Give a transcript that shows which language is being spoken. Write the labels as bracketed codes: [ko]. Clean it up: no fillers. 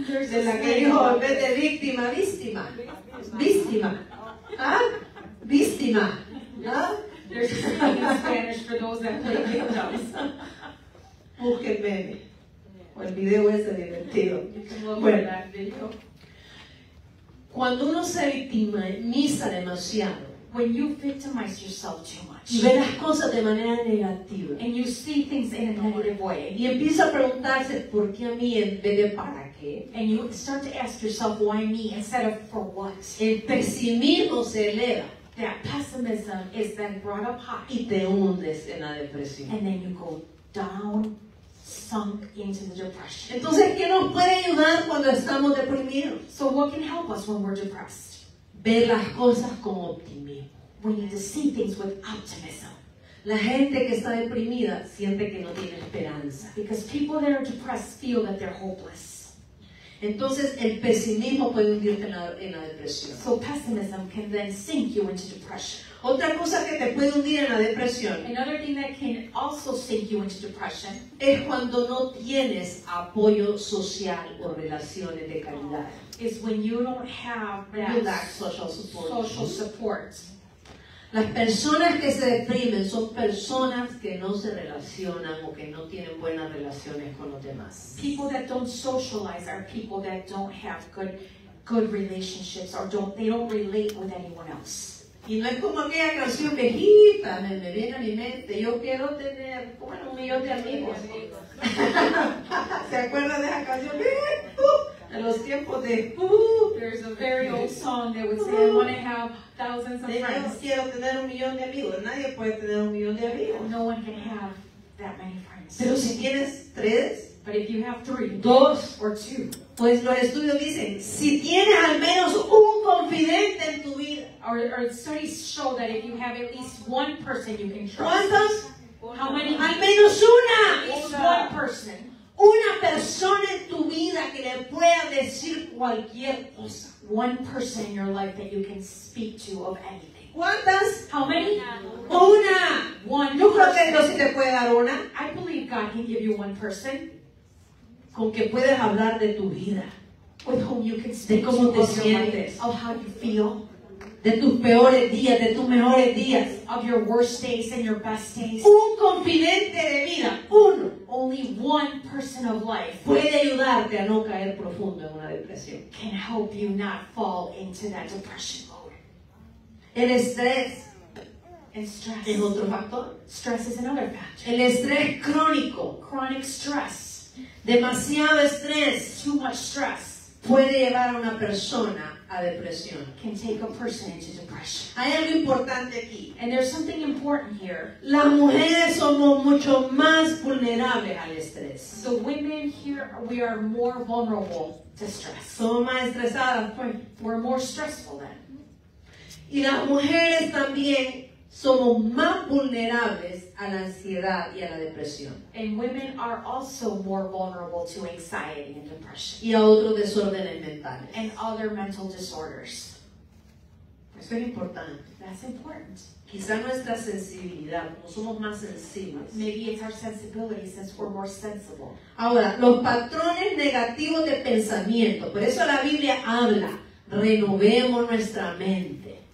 [es] De la que dijo, en vez de víctima, víctima. Víctima. ¿Ah? Víctima. ¿Ah? [en] There's a saying in Spanish for those that play victims. [es] Busquen meme. Yeah. O el video ese divertido. [en] You can look at that video. [es] Cuando uno se victimiza demasiado. [en] When you victimize yourself too much. [es] Y ve las cosas de manera negativa. [en] And you see things in a negative way. [es] Y empieza a preguntarse por qué a mí en vez de para qué. [en] And you start to ask yourself why me instead of for what. [es] El pesimismo se eleva. [en] that pessimism is then brought up high. [es] Y te hundes en la depresión. [en] And then you go down, sunk into the depression. [es] Entonces, ¿qué nos puede ayudar cuando estamos deprimidos? [en] So what can help us when we're depressed? [es] Ver las cosas con optimismo. [en] We need to see things with optimism. [es] La gente que está deprimida siente que no tiene esperanza. [en] Because people that are depressed feel that they're hopeless. [es] Entonces el pesimismo puede hundirte en la depresión. [en] So pessimism can then sink you into depression. [es] Otra cosa que te puede hundir en la depresión. [en] Another thing that can also sink you into depression. [es] Es cuando no tienes apoyo social o relaciones de calidad. [en] Is when you don't have that social support. Social support. [es] Las personas que se deprimen son personas que no se relacionan o que no tienen buenas relaciones con los demás. [en] People that don't socialize are people that don't have good relationships or they don't relate with anyone else. [es] Y no es como aquella canción viejita, me viene a mi mente, yo quiero tener bueno, 1,000,000 de amigos. ¿Se acuerdan de esa canción? En los tiempos de [en] There's a very old song that would say I want to have thousands of friends. [es] Yo quiero tener 1,000,000 de amigos. Nadie puede tener 1,000,000 de amigos. [en] No one can have that many friends. [es] Pero si tienes tres, [en] but if you have three, [es] dos [en] or two, [es] pues los estudios dicen si tienes al menos un confidente en tu vida, [en] or studies show that if you have at least one person you can trust. [es] ¿Cuántos? [en] How many? [es] Al menos una. [en] One person. [es] Una persona en tu vida que le pueda decir cualquier cosa. [en] One person in your life that you can speak to of anything. [es] ¿Cuántas? [en] How many? [es] Una. [en] One. [es] ¿Tú crees que Dios te puede dar una? [en] I believe God can give you one person. [es] Con que puedes hablar de tu vida. [en] With whom you can speak [es] de cómo te sientes. [en] Of how you feel. [es] De tus peores días, de tus mejores días. [en] Of your worst days and your best days. [es] Un confidente de vida. Uno. [en] Only one person of life [es] puede ayudarte a no caer profundo en una depresión. [en] Can help you not fall into that depression mode. [es] El estrés. [en] And stress. [es] Es otro factor. [en] Stress is another factor. [es] El estrés crónico. [en] Chronic stress. [es] Demasiado estrés. [en] Too much stress. [es] Puede llevar a una persona a depresión. [en] Can take a person into depression. [es] Hay algo importante aquí. [en] And there's something important here. [es] Las mujeres somos mucho más vulnerables al estrés. [en] The women here, we are more vulnerable to stress. [es] Somos más estresadas. [en] We're more stressful then. [es] Y las mujeres también somos más vulnerables a la ansiedad y a la depresión. [en] And women are also more vulnerable to anxiety and depression. [es] Y a otros desórdenes mentales. [en] And other mental disorders. [es] Eso es importante. [en] That's important. [es] Quizá nuestra sensibilidad, como somos más sensibles. [en] Maybe it's our sensibility since we're more sensible. [es] Ahora, los patrones negativos de pensamiento. Por eso la Biblia habla, renovemos nuestra mente.